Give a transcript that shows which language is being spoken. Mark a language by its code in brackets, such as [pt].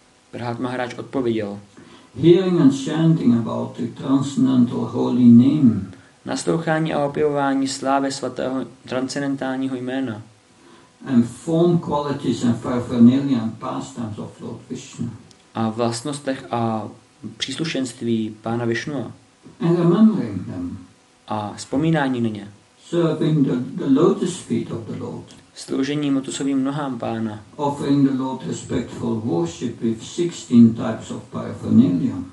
[cs] Prahlád Maharaj odpověděl. [en] Hearing and chanting about the transcendental holy name. [cs] Naslouchání a opěvování slávy svatého transcendentálního jména. [en] And form qualities and paraphernalia and pastimes of Lord Vishnu. [cs] A vlastnostech a příslušenství pána Vishnu. [en] And remembering them. [cs] A vzpomínání na ně. [en] Serving the lotus feet of the Lord. [cs] Sloužení lotusovým nohám pána. [en] Offering the Lord respectful worship with 16 types of paraphernalia.